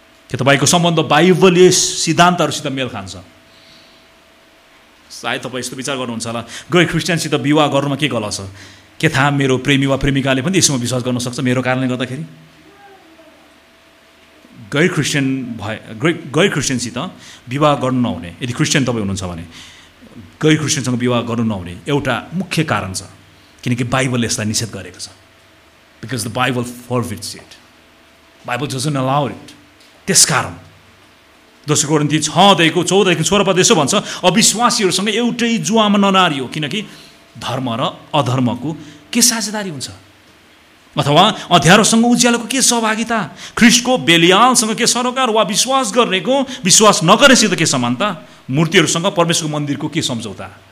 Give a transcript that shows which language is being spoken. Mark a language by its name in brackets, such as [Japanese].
[Nepali] के तपाईँको सम्बन्ध बाइबलीय सिद्धान्तहरूसित मेल खान्छ? सायद तपाईँ यस्तो विचार गर्नुहुन्छ होला, गैर क्रिस्चियनसित विवाह गर्नुमा के गलत छ, के थाहा मेरो प्रेमी वा प्रेमिकाले पनि यसमा विश्वास गर्न सक्छ मेरो कारणले गर्दाखेरि? गैर क्रिस्चियन भए गैर क्रिस्चियनसित विवाह गर्नु नहुने, यदि क्रिस्चियन तपाईँ हुनुहुन्छ भने गैर क्रिस्चियनसँग विवाह गर्नु नहुने एउटा मुख्य कारण छ, किनकि बाइबलले यसलाई निषेध गरेको छ। [English] Because the Bible forbids it, Bible doesn't allow it. [Nepali] त्यसकारण दोस्रो कोरिन्थी 6:14-16 यसो भन्छ, अविश्वासीहरूसँग एउटै जुवामा ननारियो, किनकि धर्म र अधर्मको के साझेदारी हुन्छ, अथवा अध्ययारोसँग उज्यालोको के सहभागिता, ख्रिस्टको बेलियालसँग के सरोकार, वा विश्वास गर्नेको विश्वास नगर्नेसित के समानता, मूर्तिहरूसँग परमेश्वरको मन्दिरको के सम्झौता?